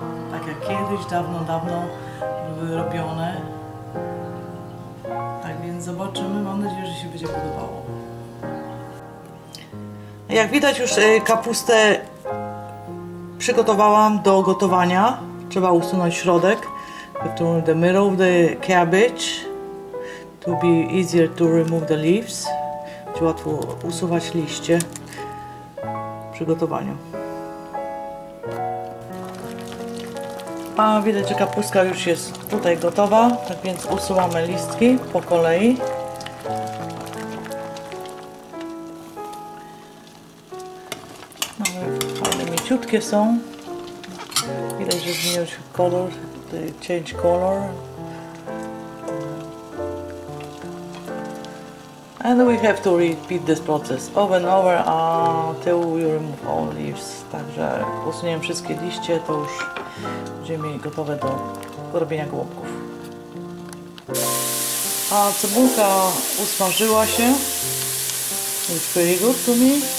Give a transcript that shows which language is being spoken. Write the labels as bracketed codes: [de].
[pl] Tak jak kiedyś, dawno, dawno były robione. Tak więc zobaczymy. Mam nadzieję, że się będzie podobało. Jak widać, już kapustę przygotowałam do gotowania. Trzeba usunąć środek. [en] The middle of the cabbage to be easier to remove the leaves. [pl] Będzie łatwo usuwać liście w przygotowaniu. A widać, że kapustka już jest tutaj gotowa, tak więc usuwamy listki po kolei. Mamy mięciutkie są. Widać, że zmienił się kolor. Tutaj [en] change color. And we have to repeat this process over and over until you remove all leaves. [pl] Także usuniemy wszystkie liście, to już będziemy gotowe do robienia gołąbków. A cebulka usmażyła się. [en] It's pretty good to me.